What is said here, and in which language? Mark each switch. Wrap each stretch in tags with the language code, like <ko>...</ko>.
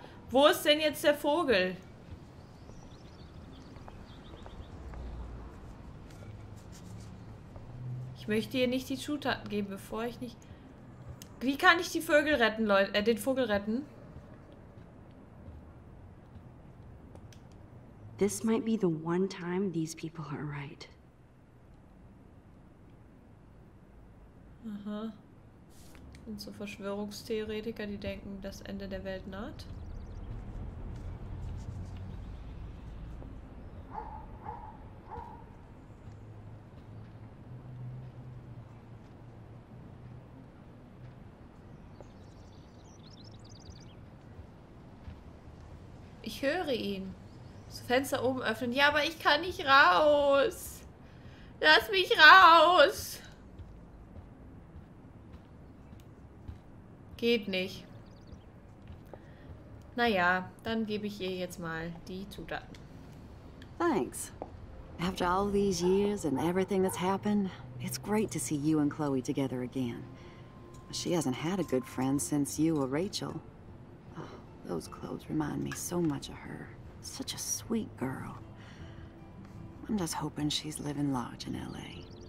<de>Wo ist denn jetzt der Vogel? Ich möchte ihr nicht die Zutaten geben, bevor ich nicht... Wie kann ich die Vögel retten, Leute? Den Vogel retten?</de> <en>this might be the one time these people are right. Aha.</en> <de>Sind so Verschwörungstheoretiker, die denken, das Ende der Welt naht. Ich höre ihn. Das Fenster oben öffnen. Ja, aber ich kann nicht raus. Lass mich raus. Geht nicht. Naja, dann gebe ich ihr jetzt mal die Zutaten.</de> <en>Thanks. After all these years and everything that's happened, it's great to see you and Chloe together again. She hasn't had a good friend since you or Rachel. Oh, those clothes remind me so much of her. Such a sweet girl. I'm just hoping she's living large in LA.</en>